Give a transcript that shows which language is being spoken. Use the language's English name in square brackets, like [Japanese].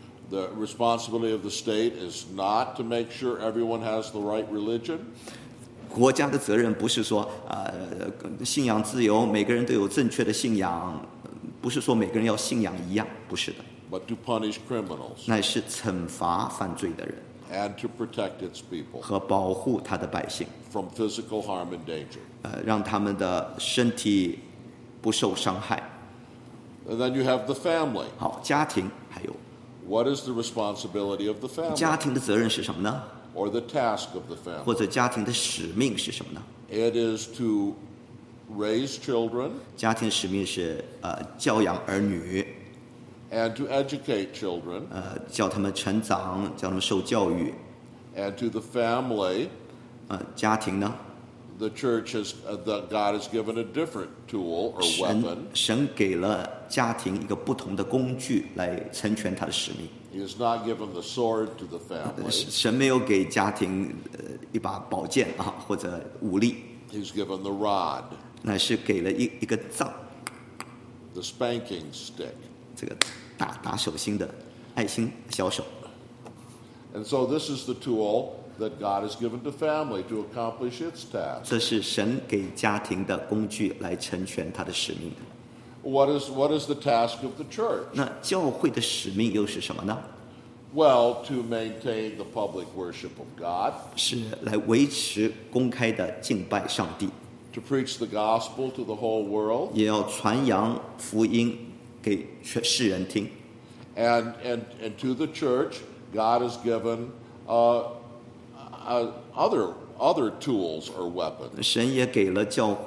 [English] The responsibility of the state is not to make sure everyone has the right religion. [Chinese] 国家的责任不是说, 信仰自由, 每个人都有正确的信仰。不是说每个人要信仰一样，不是的。 [English] But to punish criminals. [Chinese] 乃是惩罚犯罪的人。 [English] And to protect its people. [Chinese] 和保护他的百姓。 [English] From physical harm and danger. [Chinese] 让他们的身体不受伤害。 [English] And then you have the family. [Chinese] 好，家庭还有。 [English] What is the responsibility of the family? [Chinese] 家庭的责任是什么呢？ [English] Or the task of the family. [Chinese] 或者家庭的使命是什么呢？ [English] It is to raise children, [Chinese] 家庭使命是, 教养儿女, [English] and to educate children, [Chinese] 教他们成长, 教他们受教育, [English] and to the family, [Chinese] 家庭呢? [English] The church has, that God has given a different tool or weapon. [Chinese] 神给了家庭一个不同的工具来成全他的使命。 [English] He has not given the sword to the family. [Chinese] 神没有给家庭, 一把宝剑, 或者武力。 [English] He's given the rod. [Chinese] 乃是给了一个杖, [English] the spanking stick, [Chinese] 这个打手心的爱心小手。 [English] And so this is the tool that God has given to family to accomplish its task. [Chinese] 这是神给家庭的工具来成全他的使命。 [English] What is the task of the church? [Chinese] 那教会的使命又是什么呢？ [English] Well, to maintain the public worship of God. [Chinese] 是来维持公开的敬拜上帝。 [English] To preach the gospel to the whole world. [Chinese] 也要传扬福音给世人听。 [English] And to the church, God has given other tools or weapons.